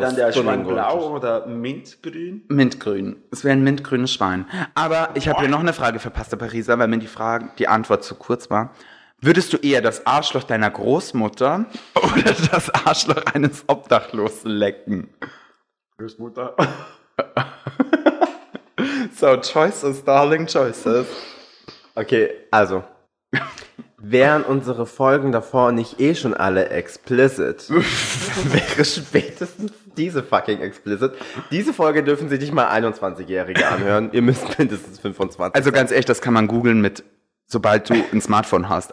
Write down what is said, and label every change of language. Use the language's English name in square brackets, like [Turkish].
[German] dann der Schwein blau oder mintgrün? Mintgrün. Es wäre ein mintgrünes Schwein. Aber ich habe hier noch eine Frage für Pasta Parisa, weil mir die Antwort zu kurz war. Würdest du eher das Arschloch deiner Großmutter oder das Arschloch eines Obdachlosen lecken? Großmutter. [English] So, choices, darling, choices. [German] Okay, also, wären unsere Folgen davor nicht eh schon alle explicit, wäre spätestens diese fucking explicit. Diese Folge dürfen sich nicht mal 21-Jährige anhören, ihr müsst mindestens 25. Also ganz ehrlich, das kann man googeln mit, sobald du ein Smartphone hast.